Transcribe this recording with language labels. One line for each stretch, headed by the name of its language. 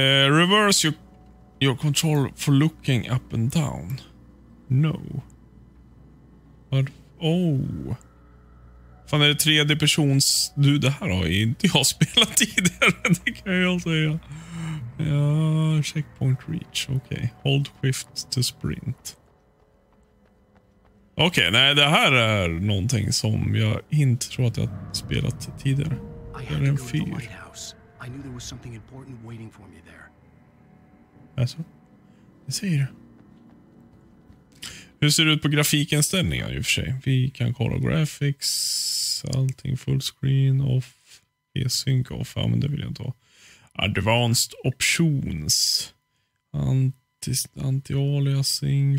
English: Reverse your control for looking up and down. No. But, oh.
Swedish: Fan, är det tredje persons... Du, det här har inte jag spelat tidigare. Det kan jag säga. Ja, checkpoint reach. Okej. Okay.
English: Hold shift to sprint.
Swedish: Okej, okay, nej, det här är någonting som jag inte tror att jag har spelat tidigare. Det är en fyr.
English: I knew there was something important waiting for me there.
Swedish: Alltså, det säger du. Hur ser det ut på grafikinställningar i och för sig? Vi kan kolla graphics, allting fullscreen, off, e-sync, off. Ja, men det vill jag inte ha.
English: Advanced options. Anti-aliasing.